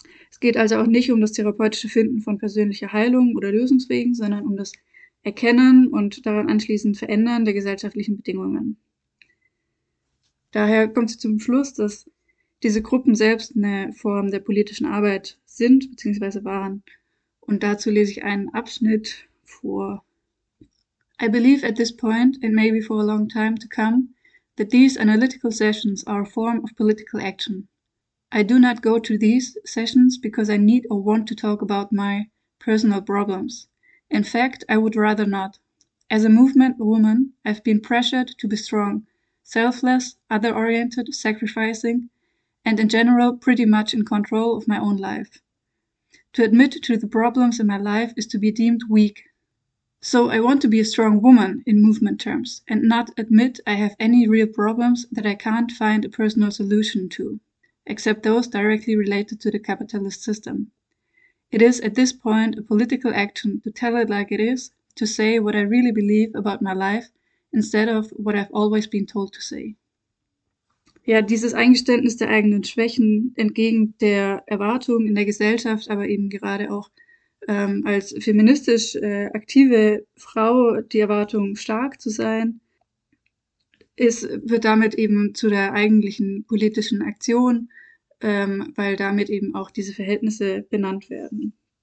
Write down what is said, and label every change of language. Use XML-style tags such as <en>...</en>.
<de>Es geht also auch nicht um das therapeutische Finden von persönlicher Heilung oder Lösungswegen, sondern um das Erkennen und daran anschließend Verändern der gesellschaftlichen Bedingungen. Daher kommt sie zum Schluss, dass diese Gruppen selbst eine Form der politischen Arbeit sind bzw. waren. Und dazu lese ich einen Abschnitt vor.</de> <en>I believe at this point, and maybe for a long time to come, that these analytical sessions are a form of political action. I do not go to these sessions because I need or want to talk about my personal problems. In fact, I would rather not. As a movement woman, I've been pressured to be strong, selfless, other-oriented, sacrificing, and in general pretty much in control of my own life. To admit to the problems in my life is to be deemed weak. So I want to be a strong woman in movement terms and not admit I have any real problems that I can't find a personal solution to, except those directly related to the capitalist system. It is at this point a political action to tell it like it is, to say what I really believe about my life instead of what I've always been told to say.</en> <de>Ja, dieses Eingeständnis der eigenen Schwächen entgegen der Erwartung in der Gesellschaft, aber eben gerade auch als feministisch aktive Frau die Erwartung, stark zu sein, wird damit eben zu der eigentlichen politischen Aktion, weil damit eben auch diese Verhältnisse benannt werden.</de>